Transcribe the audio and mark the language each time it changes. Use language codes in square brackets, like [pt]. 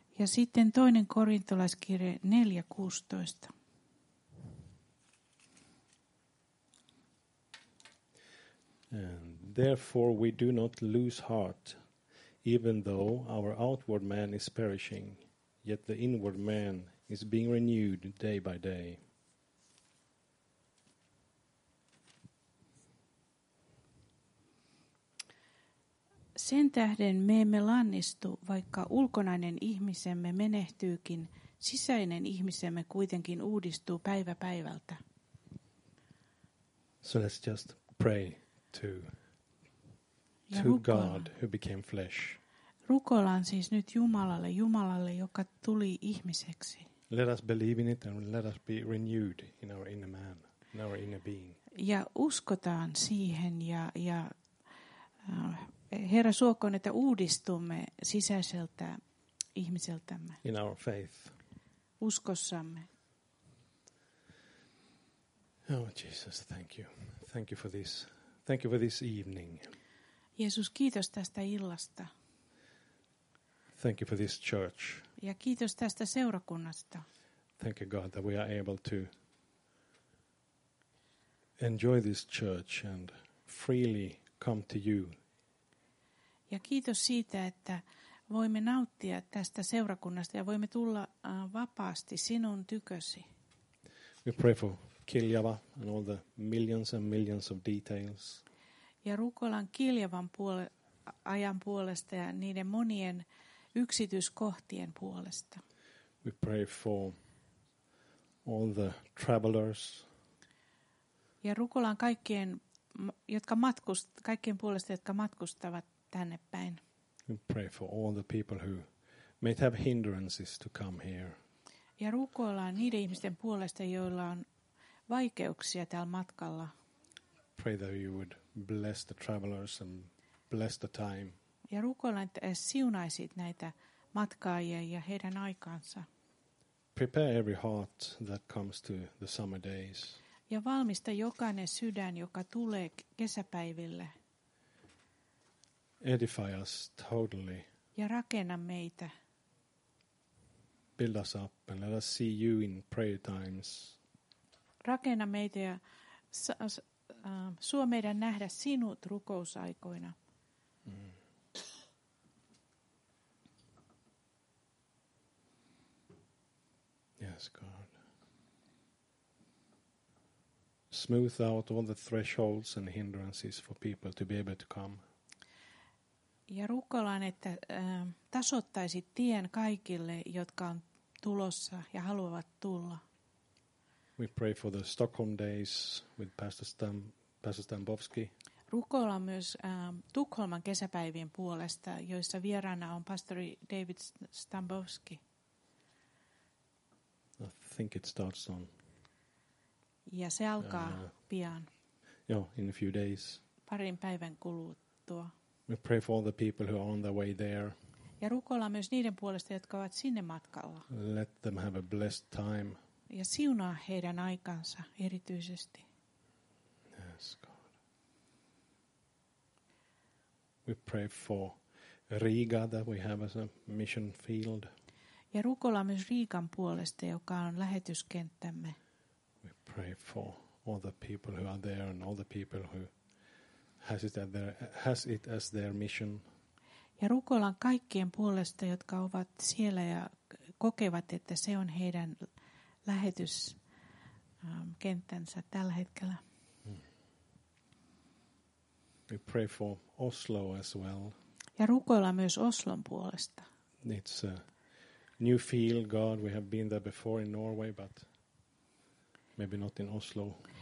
[fi] Ja sitten toinen korintolaiskirje 4:16. [en] And therefore we do not lose heart, even though our outward man is perishing, yet the inward man is being renewed day by day. [fi] Sen tähden me emme lannistu, vaikka ulkonainen ihmisemme menehtyykin, sisäinen ihmisemme kuitenkin uudistuu päivä päivältä. [en] So let's just pray to God who became flesh. [fi] Rukoillaan siis nyt Jumalalle, Jumalalle, joka tuli ihmiseksi. [en] Let us believe in it and let us be renewed in our inner man, in our inner being. [fi] Ja uskotaan siihen ja Herra suokoon, että uudistumme sisäiseltä ihmiseltämme. [en] In our faith. [fi] Uskossamme. [en] Oh Jesus, thank you. Thank you for this. Thank you for this evening. [fi] Jeesus, kiitos tästä illasta. [en] Thank you for this church. [fi] Ja kiitos tästä seurakunnasta. [en] Thank you God that we are able to enjoy this church and freely come to you. [fi] Ja kiitos siitä, että voimme nauttia tästä seurakunnasta ja voimme tulla vapaasti sinun tykösi. [en] We pray for Kiljava and all the millions and millions of details. [fi] Ja rukoillaan Kiljavan ajan puolesta ja niiden monien yksityiskohtien puolesta. [en] We pray for all the travelers. [fi] Ja rukoillaan kaikkien puolesta, jotka matkustavat tänne päin. [en] We pray for all the people who may have hindrances to come here. [fi] Ja rukoillaan niiden ihmisten puolesta, joilla on vaikeuksia tällä matkalla. [en] Pray that you would bless the travelers and bless the time. [fi] Ja rukoillaan, että siunaisit näitä matkaajia ja heidän aikaansa. [en] Prepare every heart that comes to the summer days. [fi] Ja valmista jokainen sydän, joka tulee kesäpäiville. [en] Edify us totally. [fi] Ja rakenna meitä. [en] Build us up and let us see you in prayer times. [fi] Rakenna meitä ja suo meidän nähdä sinut rukousaikoina. Mm. [en] Yes, God. Smooth out all the thresholds and hindrances for people to be able to come. [fi] Ja rukoillaan, että tasoittaisi tien kaikille, jotka on tulossa ja haluavat tulla. [en] We pray for the Stockholm days with Pastor Stambowski. [fi] Rukoillaan myös Tukholman kesäpäivien puolesta, joissa vieraana on pastori David Stambowski. [en] I think it starts on. [fi] Ja se alkaa pian. [en] Joo, in a few days. [fi] Parin päivän kuluttua. [en] We pray for all the people who are on their way there. [fi] Ja rukoillaan myös niiden puolesta, jotka ovat sinne matkalla. [en] Let them have a blessed time. [fi] Ja siunaa heidän aikansa erityisesti. [en] Yes, God. We pray for Riga that we have as a mission field. [fi] Ja rukoillaan myös Riikan puolesta, joka on lähetyskenttämme. [en] We pray for all the people who are there and all the people who has it as their mission. [fi] Ja rukoillaan kaikkien puolesta, jotka ovat siellä ja kokevat, että se on heidän lähetys kenttänsä tällä hetkellä. [en] We pray for Oslo as well. [fi] Ja rukoillaan myös Oslon puolesta. [en] It's a new field, God. We have been there before in Norway, but maybe not in Oslo.